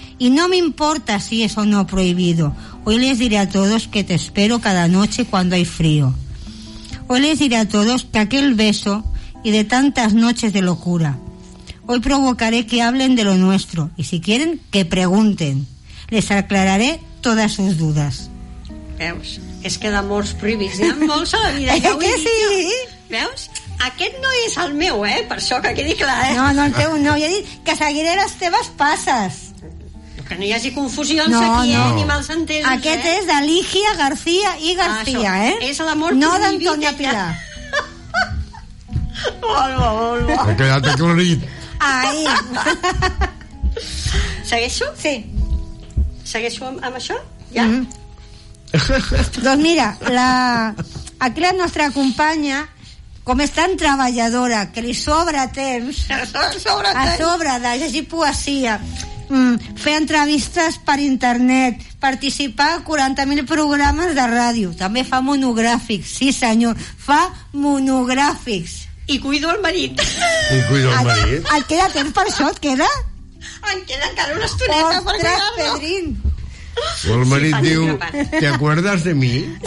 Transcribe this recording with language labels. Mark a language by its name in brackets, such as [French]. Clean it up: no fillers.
[Spanish] Y no me importa si es o no prohibido. Hoy les diré a todos que te espero cada noche cuando hay frío. Hoy les diré a todos que aquel beso y de tantas noches de locura. Hoy provocaré que hablen de lo nuestro y si quieren, que pregunten. Les aclararé todas sus dudas. [Catalan] Veus? És que d'amors prohibits n'hi ha molts a la vida. Ja que sí? Veus? Aquest no és el meu, eh? Per això que quedi clar, eh? No, no, el teu no. Jo he dit que seguiré les teves passes. Que no hi hagi confusions no, aquí, no. Ni mals entesos, aquest eh? És de Lígia García i García, ah, eh? És l'amor no prohibit. No d'Antònia Pilar. Molt bo, molt bo. Ha quedat aclarit. Ai. Segueixo? Sí. Segueixo amb això? Ja? Mm. Doncs mira, aquí la nostra companya, com és tan treballadora, que li sobra temps, sobra a sobre de llegir poesia, fer entrevistes per internet, participar a 40.000 programes de ràdio, també fa monogràfics, sí senyor, fa monogràfics. I cuido el marit. I cuido el marit. Et queda temps per això, et queda? Em queda encara una estoneta. Ostres, per cuidar-lo. Ostres, Pedrín. O el marit sí, diu, [Spanish] ¿te acuerdas de mi?